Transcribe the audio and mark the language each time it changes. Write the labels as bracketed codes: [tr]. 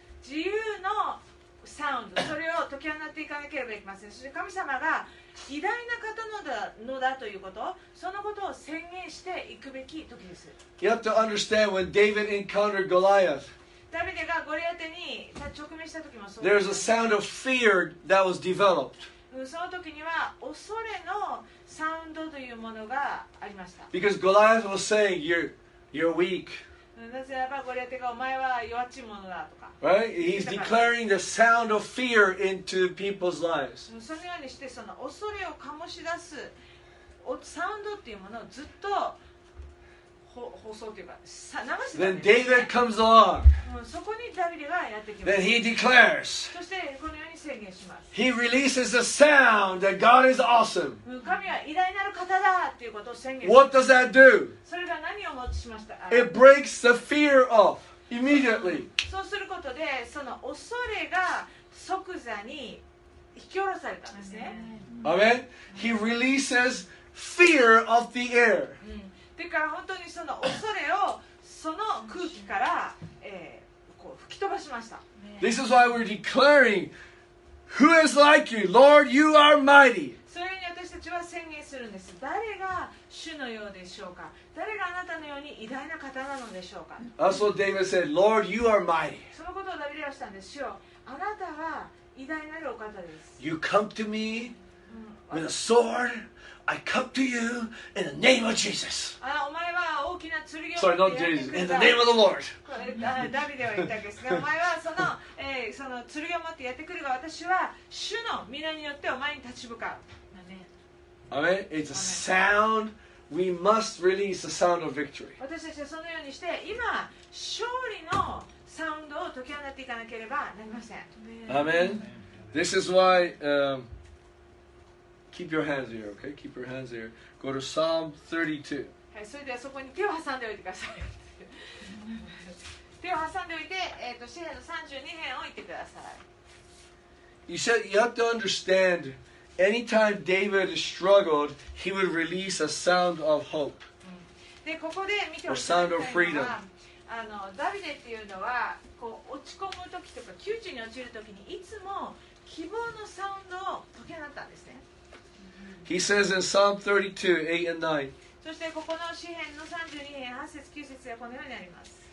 [ja] 自由のサウンド、それを解き放っていかなければいけません。そして神様が偉大な方なのだということ、そのことを宣言していくべき時です。 [en] You have to understand when David encountered Goliath. [ja] ダビデがゴリアテに直面した時もそうです。 [en] There's a sound of fear that was developed. [ja] その時には恐れのサウンドというものがありました。 [en] Because Goliath was saying, you're weak. [ja] なぜならばゴリアテがお前は弱ちいものだと。 [en] Right? He's declaring the sound of fear into people's lives. [ja] そのようにしてその恐れを醸し出すサウンドっていうものをずっと放送というか流してたんですね。 [en] Then David comes along. [ja] そこにダビデがやってきます。 [en] Then he declares. [ja] そしてこのように宣言します。 [en] He releases the sound that God is awesome. [ja] 神は偉大なる方だっていうことを宣言します。 [en] What does that do? [ja] それが何をもちしました？ [en] It breaks the fear off. Immediately. [ja] そうすることでその恐れが即座に引き下ろされたんですね。 [en] Amen. He releases fear of the air. [ja] だから本当にその恐れをその空気から、こう吹き飛ばしました。 [en] This is why we're declaring, "Who is like you, Lord? You are mighty." [ja] それに私たちは宣言するんです。誰が主のようでしょうか。誰があなたのように偉大な方なのでしょうか。 [en] That's what David said. Lord, you are mighty. [ja] そのことをダビデはしたんです。主よ、あなたは偉大なるお方です。 [en] You come to me with a sword. I come to you in the name of Jesus. [ja] お前は大きな剣を。 [en] Sorry, not Jesus. In the name of the Lord. [ja] ダビデは言ったんですが、お前はその、その剣を持ってやってくるが、私は主の御名によってお前に立ち向かう。 [en] Amen. It's a sound. We must release the sound of victory. [ja] 私たちはそのようにして今勝利のサウンドを解き放っていかなければなりません。 [en] Amen. This is why. Keep your hands here, okay? Keep your hands here. Go to Psalm 32. [ja] はい、それではそこに手を挟んでおいてください。手を挟んでおいて、詩編の32編を置いてください。 [en] You said you have to understand. Anytime David struggled, he would release a sound of hope. [ja] でここで見てほし [en] い。A sound of freedom. [ja] あのダビデっていうのはこう落ち込む時とか窮地に落ちる時にいつも希望のサウンドを解き放ったんですね。 [en] He says in Psalm 32, 8 and 9. [ja] そしてここの詩編の32編8節9節はこのようにあります。